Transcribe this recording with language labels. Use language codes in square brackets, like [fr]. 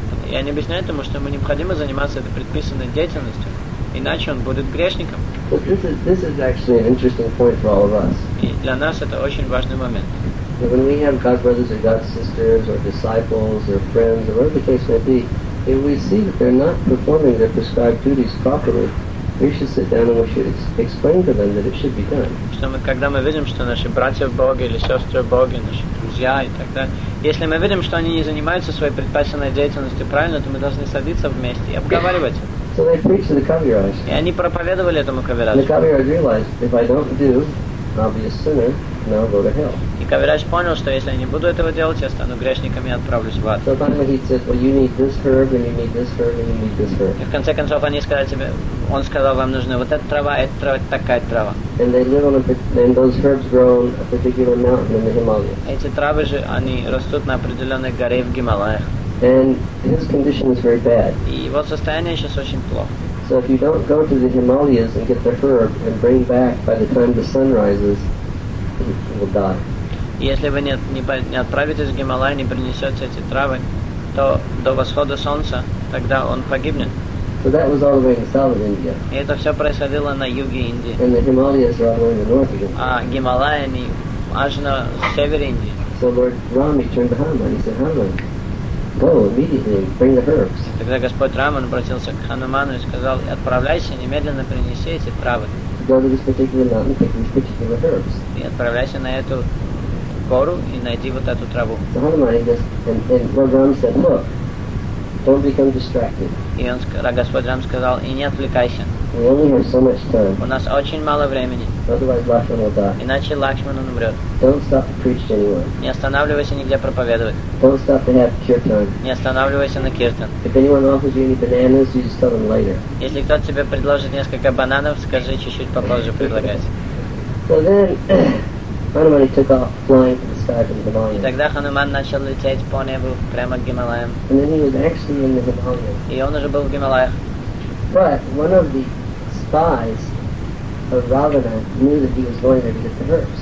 [ru] И они объясняют ему, что ему необходимо заниматься этой предписанной деятельностью, иначе он будет грешником. И для нас это очень важный момент. [en] We should sit down and we should explain to them that it should be done. [ru] Что мы, когда мы видим, что наши братья в Боге или сестры в Боге, наши друзья и так далее, если мы видим, что они не занимаются своей предписанной деятельностью правильно, то мы должны садиться вместе и обговаривать. [en] So they preached to the Kaviraj. [ru] И они проповедовали этому Кавираджу. [en] The Kaviraj realized, if I don't do, I'll be a sinner and I'll go to hell. [ru] И Кавираж понял, что если я не буду этого делать, я стану грешником и отправлюсь в ад. [en] So finally he said, well, you need this herb and you need this herb and you need this herb. [ru] И в конце концов они сказали тебе. Он сказал, вам нужна вот эта трава, такая трава. [en] And they live on a, and those herbs grow on a particular mountain in the Himalayas. [ru] Эти травы же, они растут на определенной горе в Гималаях. [en] And his condition is very bad. [ru] И его состояние сейчас очень плохо. [en] So if you don't go to the Himalayas and get the herb and bring back by the time the sun rises, he will die. [ru] Если вы не отправитесь в Гималаи, не принесете эти травы, то до восхода солнца тогда он погибнет. [en] So that was all the way in South India. [ru] И это все происходило на юге Индии. [en] And the Himalayas are all the way in the north of [ru] India. А Гималаи, они аж на севере Индии. [en] So Lord Ram, he turned to Hanuman. He said, Hanuman, go immediately and bring the herbs. [ru] Тогда Господь Рам обратился к Хануману и сказал, отправляйся, немедленно принеси эти травы. [en] Go to this particular mountain, take these particular herbs. [ru] И отправляйся на эту гору и найди вот эту траву. [en] So Hanuman, and Lord Ram said, look, don't become distracted. [ru] И он, Господь Рам сказал, и не отвлекайся. [en] We only have so much time. [ru] У нас очень мало времени. [en] Otherwise, Lakshman will die. [ru] Иначе Лакшман он умрет. [en] Don't stop to preach to anyone. [ru] Не останавливайся нигде проповедовать. [en] Don't stop to have kirtan. [ru] Не останавливайся на киртан. [en] If anyone offers you any bananas, you just tell them later. [ru] Если кто-то тебе предложит несколько бананов, скажи чуть-чуть попозже предлагать. [en] So then, Hanuman took off flying to the sky from the Himalayas. [ru] И тогда Хануман начал лететь по небу прямо к Гималаям. [en] And then he was actually in the Himalayas. [ru] И он уже был в Гималаях. [en] But one of the spies of Ravana knew that he was going there to get the herbs.